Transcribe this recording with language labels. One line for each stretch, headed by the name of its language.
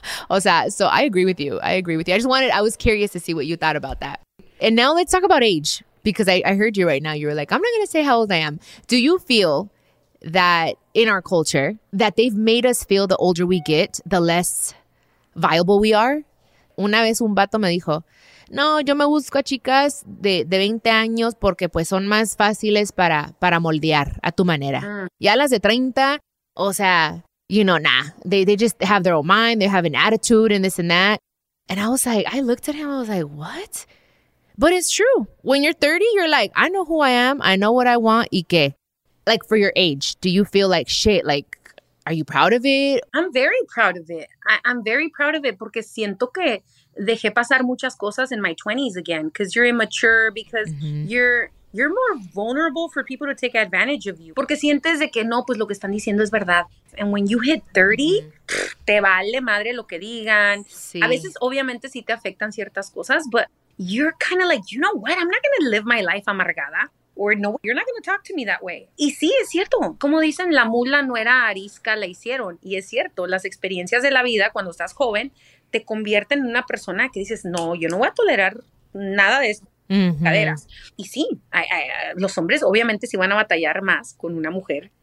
Spanish: O sea,
English: so I agree with you. I agree with you. I was curious to see what you thought about that. And now let's talk about age, because I heard you right now. You were like, I'm not going to say how old I am. Do you feel that in our culture that they've made us feel the older we get, the less viable we are?
Spanish: Una vez un vato me dijo, no, yo me busco a chicas de 20 años porque pues son más fáciles para moldear a tu manera. Ya las de 30, o sea,
English: you know, nah. They just have their own mind. They have an attitude and this and that. And I was like, I looked at him. I was like, what? But it's true. When you're 30, you're like, I know who I am. I know what I want.
Spanish: ¿Y qué?
English: Like, for your age, do you feel like shit, like, are you proud of it? I'm very proud of it. I'm very proud of it
Spanish: porque siento que dejé pasar muchas cosas
English: in my 20s again because you're immature, because you're more vulnerable for people to take advantage of you.
Spanish: Porque sientes de que no, pues lo que están diciendo es verdad.
English: And when you hit 30,
Spanish: te vale madre lo que digan. Sí. A veces, obviamente, sí te afectan ciertas cosas,
English: but you're kind of like, you know what? I'm not going to live my life
Spanish: amargada.
English: Or no, you're not going to talk to me that way.
Spanish: Y sí, es cierto. Como dicen, la mula no era arisca, la hicieron. Y es cierto, las experiencias de la vida cuando estás joven te convierte en una persona que dices, no, yo no voy a tolerar nada de esto. Caderas. Y sí, los hombres obviamente sí van a batallar más con una mujer.